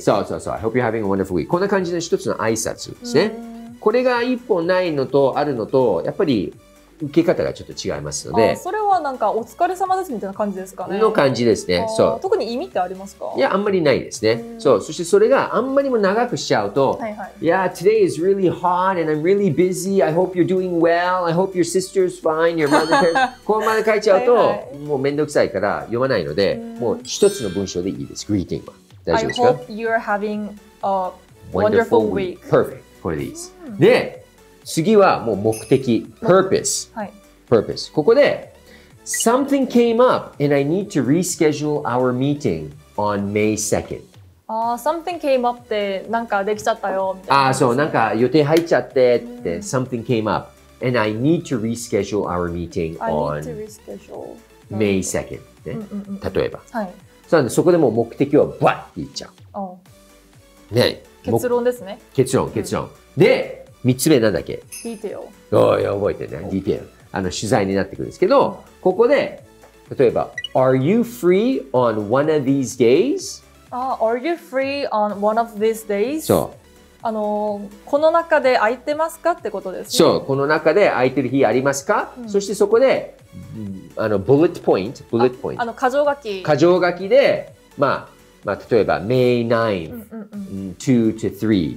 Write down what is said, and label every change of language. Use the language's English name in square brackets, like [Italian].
[Japanese] そうそうそう。 [English] I hope you're having a wonderful week. [Japanese] こんな感じの一つの挨拶ですね。これが一本ないのとあるのと、やっぱり受け方がちょっと違いますので。あ、それはなんかお疲れ様ですみたいな感じですかね。の感じですね。そう、特に意味ってありますか。いや、あんまりないですね。そう、そしてそれがあんまりも長くしちゃうと、はいはい、 [English] Yeah, today is really hot and I'm really busy. I hope you're doing well. I hope your sister's fine. Your mother has... [Japanese] こうまで書いちゃうと、はいはい、もうめんどくさいから読まないので、もう一つの文章でいいです。 Greeting は大丈夫ですか。 [English] I hope you're having a wonderful week. Perfect. [Japanese] これでいいです。で、次はもう目的、purpose、はい、 purpose。ここで、 [English] something came up and I need to reschedule our meeting on May 2nd。 [Japanese] ああ、 [English] something came up [Japanese] ってなんかできちゃったよみたいな。ああ、そう、なんか予定入っちゃってって、 [English] something came up and I need to reschedule our meeting on May 2nd、ね、 [Japanese] うんうんうん、例えば。はい。そうなんで、そこでもう目的はバッって言っちゃう。おう、ね、結論ですね。結論、結論。うん、で、3つ目なんだっけ？ [English] Detail。 [Japanese] おい、覚えてね。Detail。 あの、取材になってくるんですけど、ここで例えば [English] Are you free on one of these days? Are you free on one of these days? [Japanese] そう、あの、この中で空いてますかってことですね。そう、この中で空いてる日ありますか、うん、そしてそこで、あの、Bullet point、 Bullet point、あの、箇条書き、箇条書きで、まあ、まあ、例えば May 9th、うんうん、 [English] 2 to 3、